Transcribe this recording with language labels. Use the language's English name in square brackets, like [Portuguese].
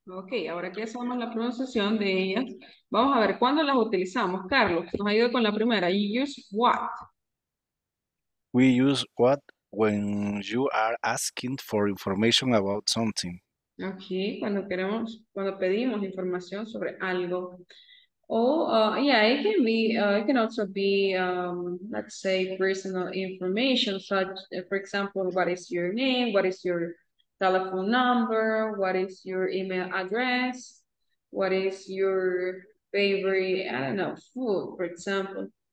[Spanish] Ok, ahora que hacemos la pronunciación de ellas, vamos a ver cuándo las utilizamos. Carlos, nos ayuda con la primera. [English] You use what? We use what when you are asking for information about something. [Spanish] Ok, cuando queremos, cuando pedimos información sobre algo. [English] It can be, it can also be, let's say, personal information, such, for example, what is your name, what is your telephone number, what is your email address, what is your favorite, I don't know, food, for example.